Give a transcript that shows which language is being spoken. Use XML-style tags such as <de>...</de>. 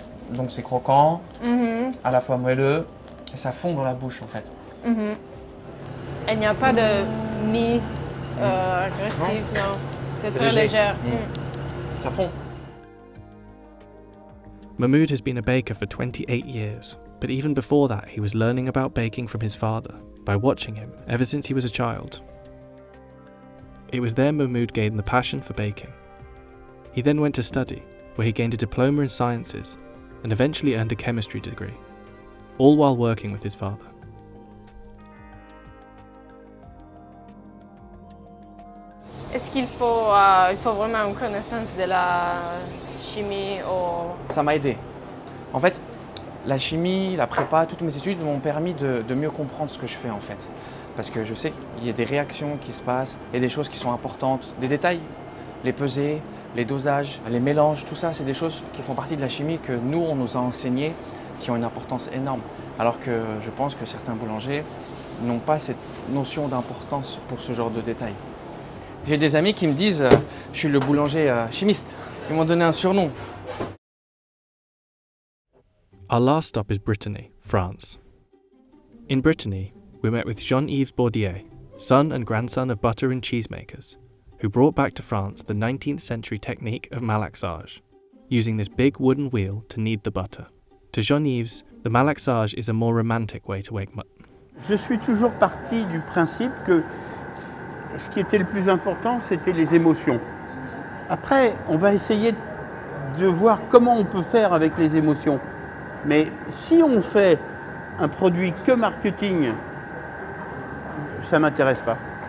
<fr>Donc c'est croquant, à la fois moelleux, et ça fond dans la bouche en fait. Mm-hmm. Il n'y a pas de mie agressive, non. C'est très léger. Ça fond.</fr> <en>Mahmoud has been a baker for 28 years, but even before that he was learning about baking from his father, by watching him ever since he was a child. It was there Mahmoud gained the passion for baking. He then went to study, where he gained a diploma in sciences, and eventually earned a chemistry degree, all while working with his father.</en> <fr>Est-ce qu'il faut, il faut vraiment une connaissance de la chimie ou... Ça m'a aidé. En fait, la chimie, la prépa, toutes mes études m'ont permis de mieux comprendre ce que je fais en fait. Parce que je sais qu'il y a des réactions qui se passent, et des choses qui sont importantes, des détails, les pesées, les dosages, les mélanges, tout ça, c'est des choses qui font partie de la chimie que nous, on nous a enseignées, qui ont une importance énorme. Alors que je pense que certains boulangers n'ont pas cette notion d'importance pour ce genre de détails. J'ai des amis qui me disent « je suis le boulanger chimiste ». Ils m'ont donné un surnom.</fr> <en>Our last stop is Brittany, France. In Brittany, we met with Jean-Yves Bordier, son and grandson of butter and cheesemakers, who brought back to France the 19th century technique of malaxage, using this big wooden wheel to knead the butter. To Jean-Yves, the malaxage is a more romantic way to wake mutton.</en> <fr>Je suis toujours parti du principe que ce qui était le plus important, c'était les émotions. Après, on va essayer de voir comment on peut faire avec les émotions. Mais si on fait un produit que marketing, ça ne m'intéresse pas.</fr>